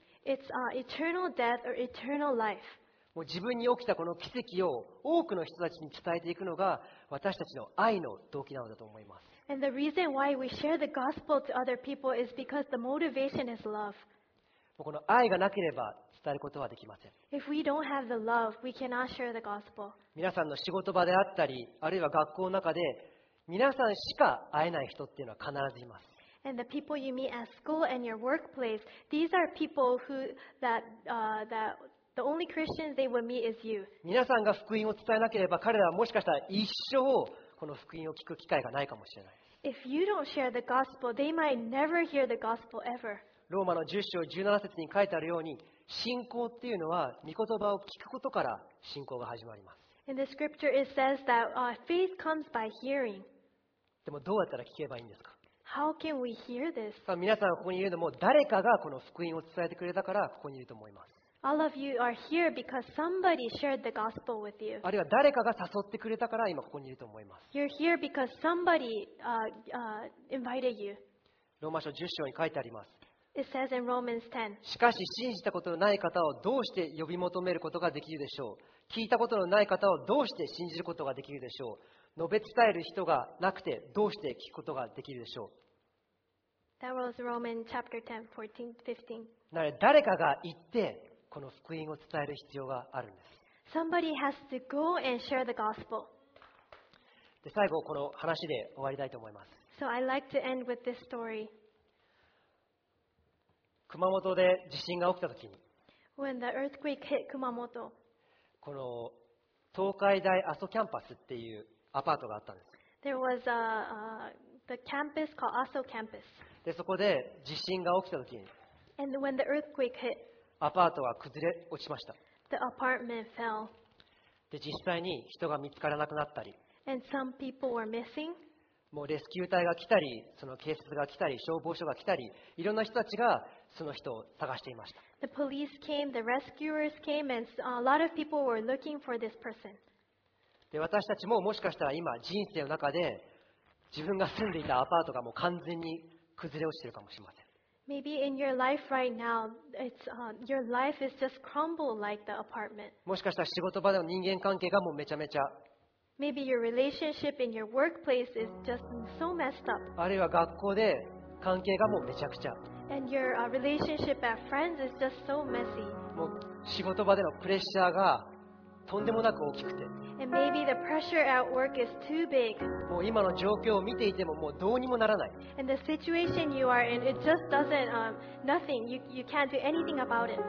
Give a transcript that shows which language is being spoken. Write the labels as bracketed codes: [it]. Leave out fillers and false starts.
[en] It's eternal death or eternal life. [ja] もう自分に起きたこの奇跡を多くの人たちに伝えていくのが私たちの愛の動機なのだと思います。 [en] And the reason why we share the gospel to other people is because the motivation is love. [ja] もうこの愛がなければ伝えることはできません。 [en] If we don't have the love, we cannot share the gospel. [ja] 皆さんの仕事場であったり、あるいは学校の中で皆さんしか会えない人っていうのは必ずいます。 [en] And the people you meet at school and your workplace, these are people who that, that the only Christians they will meet is you. [ja] 皆さんが福音を伝えなければ、彼らはもしかしたら一生この福音を聞く機会がないかもしれない。 [en] If you don't share the gospel, they might never hear the gospel ever. [ja] ローマの10章17節に書いてあるように、信仰っていうのは御言葉を聞くことから信仰が始まります。 [en] In the scripture it says that faith comes by hearing. [ja] でもどうやったら聞けばいいんですか？ [en] How can we hear this? [ja] 皆さんここにいるのも誰かがこの福音を伝えてくれたからここにいると思います。 [en] All of you are here because somebody shared the gospel with you. [ja] あるいは誰かが誘ってくれたから今ここにいると思います。 [en] You're here because somebody invited you. [ja] ローマ書10章に書いてあります。 [en] It says in Romans 10. [ja] しかし信じたことのない方をどうして呼び求めることができるでしょう。聞いたことのない方をどうして信じることができるでしょう。述べ伝える人がなくてどうして聞くことができるでしょう。 [en] That was Romans chapter 10, 14, 15. [ja] なので誰かが行ってこの福音を伝える必要があるんです。 [en] Somebody has to go and share the gospel. [ja] で最後この話で終わりたいと思います。 [en] So I'd like to end with this story. [ja] 熊本で地震が起きたときに、 [en] When the earthquake hit 熊本、 [ja] この東海大阿蘇キャンパスっていうアパートがあったんです。 [en] There was a, the campus called 阿蘇キャンパス。 [ja] でそこで地震が起きたときに、 [en] And when the earthquake hit。 [ja] アパートは崩れ落ちました。 [en] The apartment fell. [ja] で実際に人が見つからなくなったり、 [en] And some people were missing. [ja] もうレスキュー隊が来たり、その警察が来たり、消防署が来たり、いろんな人たちがその人を探していました。 [en] The police came, the rescuers came, and a lot of people were looking for this person. [ja] で私たちももしかしたら今人生の中で自分が住んでいたアパートがもう完全に崩れ落ちているかもしれません。 [en] Maybe in your life right now, it's your life is just crumbled like the apartment. [ja] もしかしたら仕事場での人間関係がもうめちゃめちゃ。 [en] Maybe your relationship in your workplace is just so messed up. [ja] あるいは学校で関係がもうめちゃくちゃ。 [en] And your relationship at friends is just so messy. [ja] もう仕事場でのプレッシャーがとんでもなく大きくて。 [en] And maybe the pressure at work is too big. [ja] もう今の状況を見ていてももうどうにもならない。 [en] And the situation you are in, it just doesn't, nothing. You can't do anything about it.